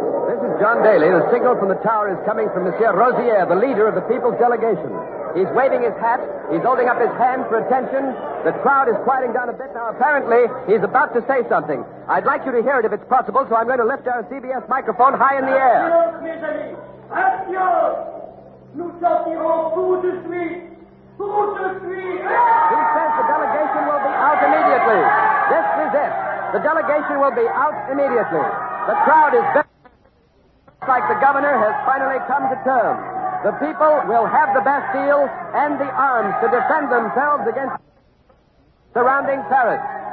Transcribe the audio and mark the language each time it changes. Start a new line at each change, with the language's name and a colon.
English: This is John Daly. The signal from the tower is coming from Monsieur Rosier, the leader of the people's delegation. He's waving his hat. He's holding up his hand for attention. The crowd is quieting down a bit now. Apparently, he's about to say something. I'd like you to hear it if it's possible, so I'm going to lift our CBS microphone high in the air.
French: Adios, mes amis. Adios. Nous sortirons tout de suite.
English: He says the delegation will be out immediately. This is it. The delegation will be out immediately. The crowd is looks like the governor has finally come to terms. The people will have the Bastille and the arms to defend themselves against surrounding Paris.